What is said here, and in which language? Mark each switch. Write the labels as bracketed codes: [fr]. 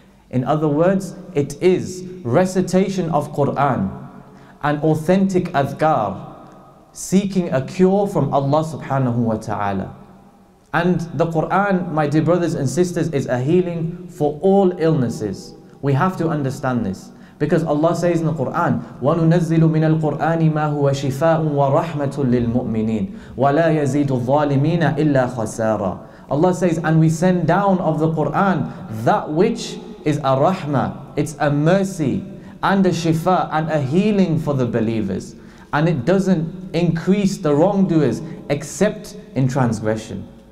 [en] In other words, it is recitation of Qur'an and authentic adhkar, seeking a cure from Allah subhanahu wa ta'ala. And the Qur'an, my dear brothers and sisters, is a healing for all illnesses. We have to understand this, because Allah says in the Qur'an, [ar] وَنُنَزِّلُ مِنَ الْقُرْآنِ مَا هُوَ شِفَاءٌ وَرَحْمَةٌ لِلْمُؤْمِنِينَ وَلَا يَزِيدُ الظَّالِمِينَ إِلَّا خَسَارًا. [en] Allah says, and we send down of the Qur'an that which is a rahmah, it's a mercy and a shifa and a healing for the believers, and it doesn't increase the wrongdoers except in transgression.